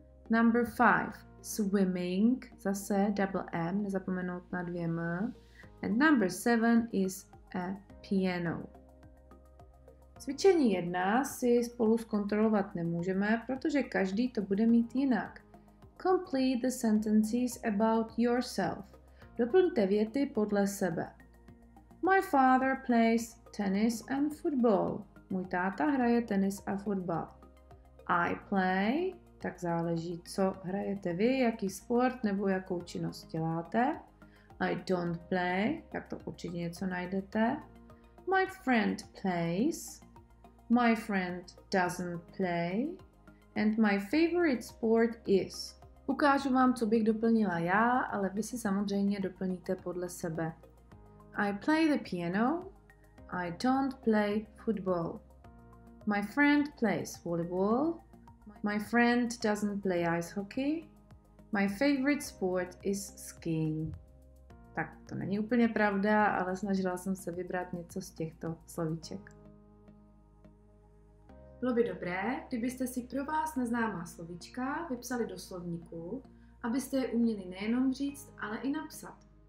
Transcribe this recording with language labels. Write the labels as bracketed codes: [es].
[en] Number 5, swimming, [cs] zase [en] double M, [cs] nezapomenout na dvě M. [en] And number 7 is a piano. [cs] Cvičení 1 si spolu zkontrolovat nemůžeme, protože každý to bude mít jinak. [en] Complete the sentences about yourself. [cs] Doplňte věty podle sebe. [en] My father plays tennis and football. [cs] Můj táta hraje tenis a fotbal. [en] I play, [cs] tak záleží, co hrajete vy, jaký sport nebo jakou činnost děláte. [en] I don't play, [cs] tak to určitě něco najdete. [en] My friend plays, my friend doesn't play, and my favorite sport is. [cs] Ukážu vám, co bych doplnila já, ale vy si samozřejmě doplníte podle sebe. [en] I play the piano. I don't play football. My friend plays volleyball. My friend doesn't play ice hockey. My favorite sport is skiing. [cs] Tak to není úplně pravda, ale snažila jsem se vybrat něco z těchto slovíček. Bylo by dobré, kdybyste si pro vás neznámá slovíčka vypsali do slovníku, abyste je uměli nejenom říct, ale i napsat.